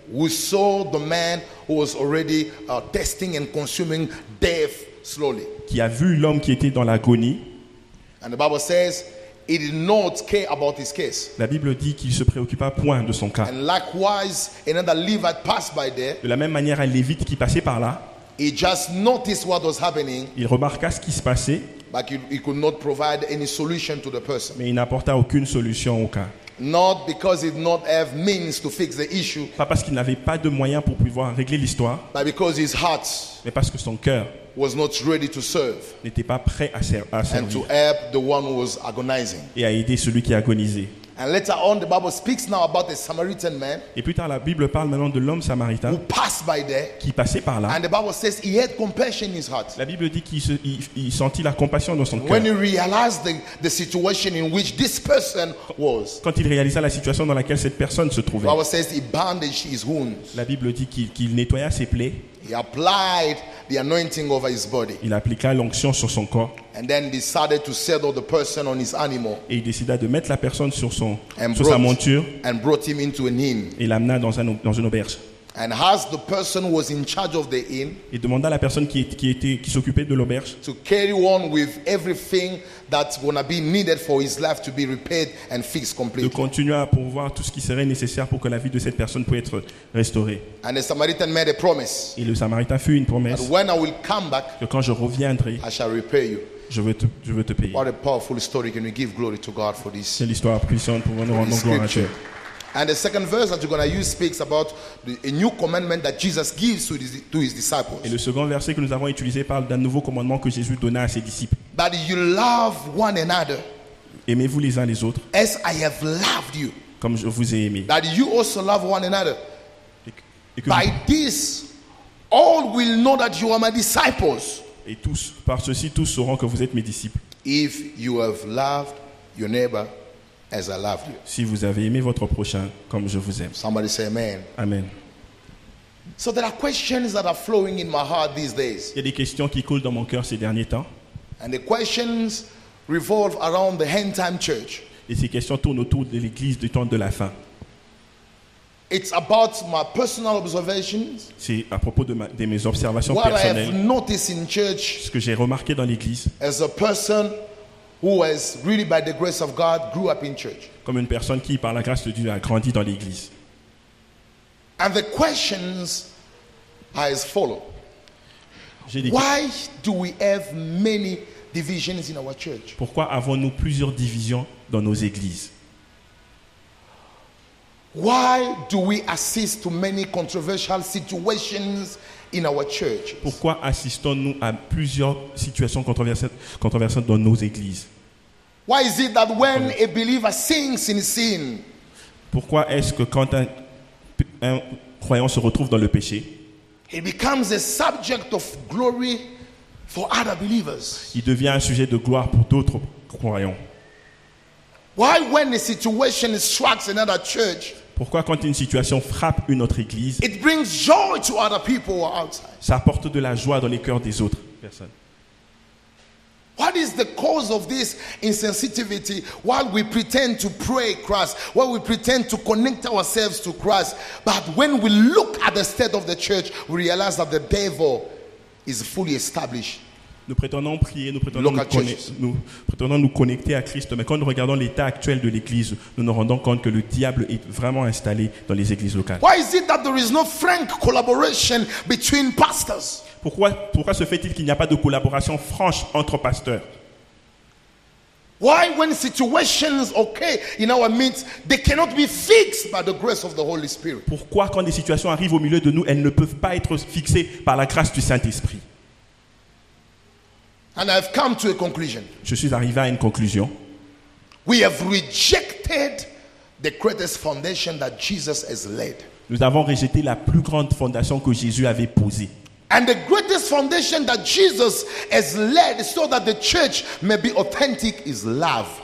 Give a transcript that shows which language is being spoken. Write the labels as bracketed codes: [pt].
[en] Who saw the man who was already testing and consuming death slowly? [fr] Qui a vu l'homme qui était dans l'agonie? [en] And the Bible says he did not care about his case. [fr] La Bible dit qu'il se préoccupa point de son cas. [en] And likewise, another Levite passed by there. [fr] De la même manière, un Lévite qui passait par là. [en] He just noticed what was happening. [fr] Il remarqua ce qui se passait. [en] But he could not provide any solution to the person. [fr] Mais il n'apporta aucune solution au cas. [en] Not because he did not have means to fix the issue. [fr] Pas parce qu'il n'avait pas de moyens pour pouvoir régler l'histoire. [en] But because his heart. [fr] Mais parce que son cœur. [en] Was not ready to serve. [fr] N'était pas prêt à servir. [en] And to help the one who was agonizing. [fr] Et à aider celui qui agonisait. [en] And later on, the Bible speaks now about the Samaritan man. [fr] Et plus tard, la Bible parle maintenant de l'homme samaritain. [en] Who passed by there. [fr] Qui passait par là. [en] And the Bible says he had compassion in his heart. [fr] La Bible dit qu'il il sentit la compassion dans son cœur. [en] When he realized the situation in which this person was. [fr] Quand il réalisa la situation dans laquelle cette personne se trouvait. [en] The Bible says he bandaged his wounds. [fr] La Bible dit qu'il nettoya ses plaies. [en] He applied the anointing over his body. [fr] Il appliqua l'onction sur son corps. [en] And then decided to settle the person on his animal. [fr] Et il décida de mettre la personne sur sa monture. [en] And brought him into an inn. [fr] Et l'amena dans une auberge. [en] And asked the person who was in charge of the inn. [fr] Et demanda à la personne qui s'occupait de l'auberge. [en] To carry on with everything that's going to be needed for his life to be repaired and fixed completely. [fr] De continuer à pourvoir tout ce qui serait nécessaire pour que la vie de cette personne puisse être restaurée. [en] And the Samaritan made a promise. [fr] Et le Samaritain fit une promesse. [en] When I will come back, [fr] que quand je reviendrai, [en] I shall repay you. [fr] Je veux te payer. [en] What a powerful story! Can we give glory to God for this? [fr] Quelle histoire puissante pour nous rendre gloire à Dieu. [en] And the second verse that you're going to use speaks about a new commandment that Jesus gives to his disciples. [fr] Et le second verset que nous avons utilisé parle d'un nouveau commandement que Jésus donna à ses disciples. [en] That you love one another. [fr] Aimez-vous les uns les autres. [en] As I have loved you. [fr] Comme je vous ai aimé. [en] That you also love one another. By this, all will know that you are my disciples. [fr] Et tous, par ceci, tous sauront que vous êtes mes disciples. [en] If you have loved your neighbor. As I love you. [fr] Si vous avez aimé votre prochain comme je vous aime. [en] Somebody say amen. Amen. So there are questions that are flowing in my heart these days. [fr] Il y a des questions qui coulent dans mon cœur ces derniers temps. [en] And the questions revolve around the end time church. [fr] Et ces questions tournent autour de l'église du temps de la fin. [en] It's about my personal observations. [fr] C'est à propos de mes observations [en] what [fr] personnelles. [en] What I have noticed in church. [fr] Ce que j'ai remarqué dans l'église. [en] As a person who was really by the grace of God grew up in church. [fr] Comme une personne qui, par la grâce de Dieu, a grandi dans l'église. [en] And the questions are as follows. Why do we have many divisions in our church? [fr] Pourquoi avons-nous plusieurs divisions dans nos églises? [en] Why do we assist to many controversial situations in our church? [fr] Pourquoi assistons-nous à plusieurs situations controversées dans nos églises? [en] Why is it that when a believer sinks in sin? [fr] Pourquoi est-ce que quand un croyant se retrouve dans le péché, [en] he becomes a subject of glory for other believers? [fr] Il devient un sujet de gloire pour d'autres croyants. [en] Why when a situation strikes another church? [fr] Pourquoi quand une situation frappe une autre église, [en] it brings joy to other people outside. [fr] Ça apporte de la joie dans les cœurs des autres personnes. [en] What is the cause of this insensitivity while we pretend to pray Christ, while we pretend to connect ourselves to Christ, but when we look at the state of the church, we realize that the devil is fully established? [fr] Nous prétendons prier, nous prétendons nous connecter à Christ, mais quand nous regardons l'état actuel de l'église, nous nous rendons compte que le diable est vraiment installé dans les églises locales. [en] Why is it that there is no frank collaboration between pastors? [fr] Pourquoi se fait-il qu'il n'y a pas de collaboration franche entre pasteurs? [en] Why when situations occur in our midst, they cannot be fixed by the grace of the Holy Spirit? [fr] Pourquoi quand des situations arrivent au milieu de nous, elles ne peuvent pas être fixées par la grâce du Saint-Esprit? [en] And I've come to a conclusion. [fr] Je suis arrivé à une conclusion. [en] We have rejected the greatest foundation that Jesus has laid. [fr] Nous avons rejeté la plus grande fondation que Jésus avait posée. [en] And the greatest foundation that Jesus has laid so that the church may be authentic is love.